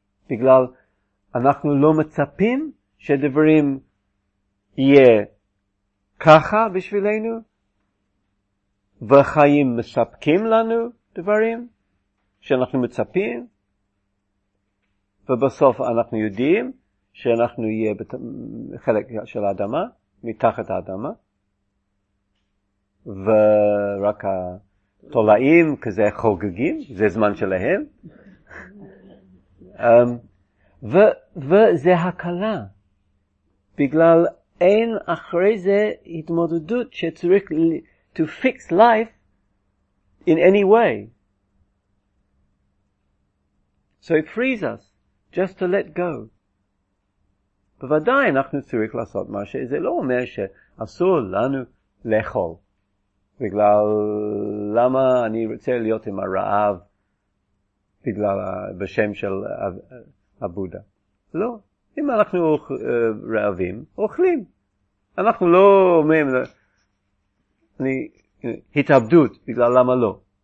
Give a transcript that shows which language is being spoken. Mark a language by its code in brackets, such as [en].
[he] בגלל אנחנו לא מצפים שדברים יהיה ככה בשבילנו, והחיים מספקים לנו דברים שאנחנו מצפים, ובסוף אנחנו יודעים שאנחנו יהיה חלק של האדמה, מתחת האדמה, ורק התולעים כזה חוגגים, זה זמן שלהם. וזה הקלה, בגלל אין אחרי זה התמודדות שצריך [en] to fix life in any way. So it frees us just to let go. [he] בוודאי אנחנו צריך לעשות משהו. זה לא אומר שאסור לנו לאכול. בגלל למה אני רוצה להיות עם הרעב בגלל, בשם של הבודה. לא. אם אנחנו רעבים, אוכלים. אנחנו לא אומרים, אני התאבדות, בגלל למה לא.